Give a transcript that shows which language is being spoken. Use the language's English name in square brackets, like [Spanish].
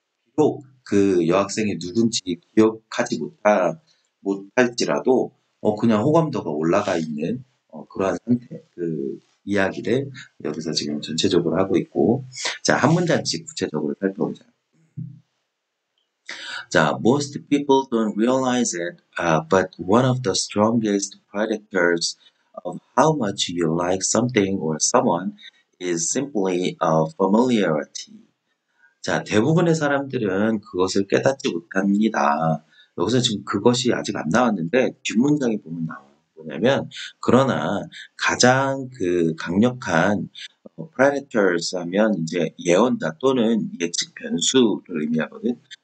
[Korean] 비록 그 여학생이 누군지 기억하지 못할지라도 그냥 호감도가 올라가 있는 그러한 상태, 그 이야기를 여기서 지금 전체적으로 하고 있고. 자, 한 문장씩 구체적으로 살펴보자. [English] 자, most people don't realize it, but one of the strongest predictors of how much you like something or someone is simply familiarity. [Korean] 자, 대부분의 사람들은 그것을 깨닫지 못합니다. 여기서 지금 그것이 아직 안 나왔는데, 뒷문장에 보면 나와요. 뭐냐면, 그러나 가장 그 강력한 predictors 하면 이제 예언자 또는 예측 변수를 의미하거든.